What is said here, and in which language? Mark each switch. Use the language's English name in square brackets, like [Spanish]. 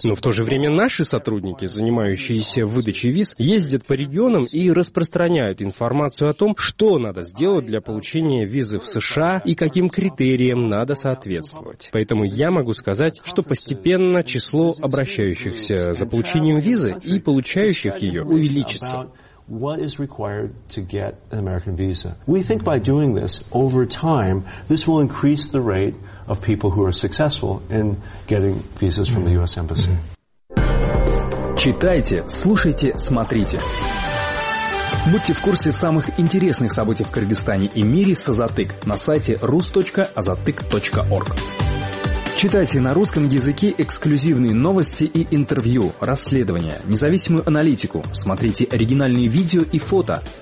[Russian] Но в то же время наши сотрудники, занимающиеся выдачей виз, ездят по регионам и распространяют информацию о том, что надо сделать для получения визы в США и каким критериям надо соответствовать. Поэтому я могу сказать, что постепенно число обращающихся за получением визы и получающих ее увеличится. [English] What is required to get an American visa? We think by doing this over time, this will increase the rate of people who are successful in getting visas from the U.S. Embassy. [Russian] Читайте, слушайте, смотрите. Будьте в курсе самых интересных событий в Кыргызстане и мире с Азатык на сайте rus.azatyk.org. Читайте на русском языке эксклюзивные новости и интервью, расследования, независимую аналитику, смотрите оригинальные видео и фото.